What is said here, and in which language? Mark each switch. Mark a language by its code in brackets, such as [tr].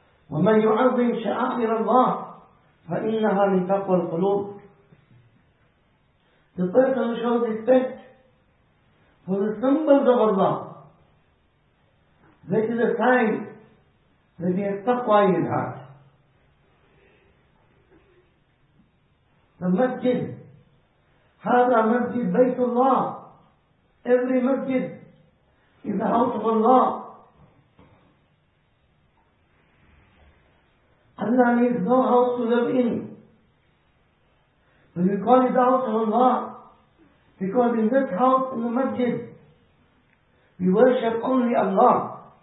[ar] وَمَنْ يُعَظِّمْ شَعَائِرَ اللَّهِ فَإِنَّهَا لِتَقْوَى الْقُلُوبِ. [en] The person shows respect for the symbols of Allah, that is a sign that he has taqwa in his heart. The masjid, [ar] هذا مسجد بيت الله. [en] Every masjid is the house of Allah. Allah needs no house to live in. When we call it out, Allah, because in that house, in the masjid, we worship only Allah.